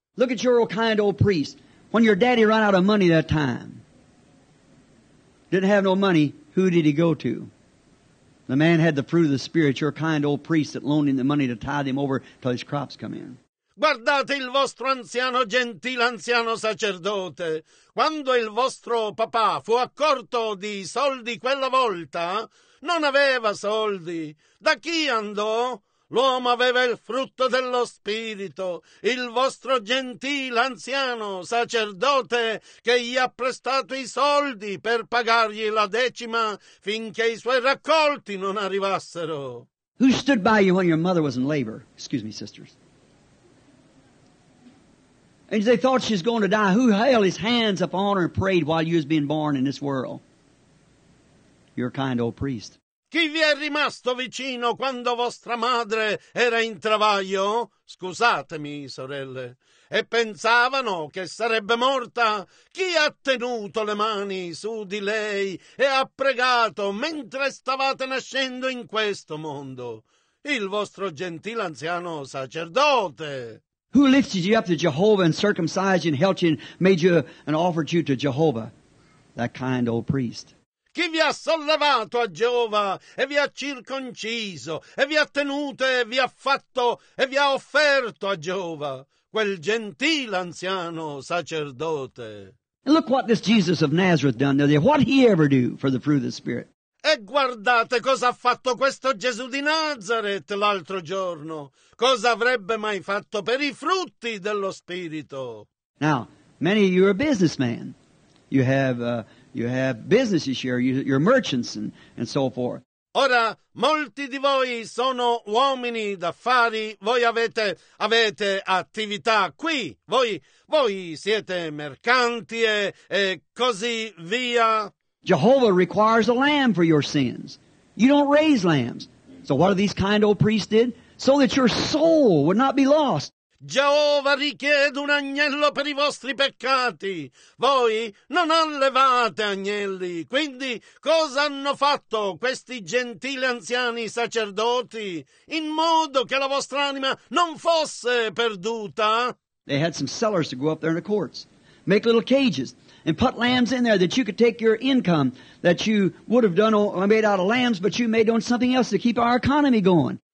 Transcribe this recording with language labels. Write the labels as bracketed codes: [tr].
[en] Look at your old kind old priest. When your daddy ran out of money that time, didn't have no money, who did he go to? The man had the fruit of the Spirit, your kind old priest that loaned him the money to tide him over till his crops come in. [it] Guardate il vostro anziano, gentile anziano sacerdote. Quando il vostro papà fu accorto di soldi quella volta, non aveva soldi. Da chi andò? L'uomo aveva il frutto dello spirito, il vostro gentile anziano sacerdote che gli ha prestato i soldi per pagargli la decima finché i suoi raccolti non arrivassero. [en] Who stood by you when your mother was in labor? Excuse me, sisters. And they thought she was going to die. Who held his hands up on her and prayed while you was being born in this world? Your kind old priest. [it] Chi vi è rimasto vicino quando vostra madre era in travaglio? Scusatemi, sorelle. E pensavano che sarebbe morta. Chi ha tenuto le mani su di lei e ha pregato mentre stavate nascendo in questo mondo? Il vostro gentile anziano sacerdote. [en] Who lifted you up to Jehovah and circumcised you and helped you and made you and offered you to Jehovah? That kind old priest. [it] Chi vi ha sollevato a Geova e vi ha circonciso e vi ha tenuto e vi ha fatto e vi ha offerto a Geova? Quel gentile anziano sacerdote. [en] And look what this Jesus of Nazareth done today. What did he ever do for the fruit of the Spirit? [it] E guardate cosa ha fatto questo Gesù di Nazareth l'altro giorno. Cosa avrebbe mai fatto per i frutti dello Spirito? [en] Now, many of you are businessmen. You have businesses here. You're merchants and so forth. [it] Ora, molti di voi sono uomini d'affari. Voi avete attività qui. Voi siete mercanti e così via. [en] Jehovah requires a lamb for your sins. You don't raise lambs. So what do these kind old priests did? So that your soul would not be lost. [it] Jehovah richiede un agnello per i vostri peccati. Voi non allevate agnelli. Quindi cosa hanno fatto questi gentili anziani sacerdoti in modo che la vostra anima non fosse perduta? [en] They had some cellars to go up there in the courts. Make little cages. And put lambs in there that you could take your income that you would have done made out of lambs, but you made on something else to keep our economy going.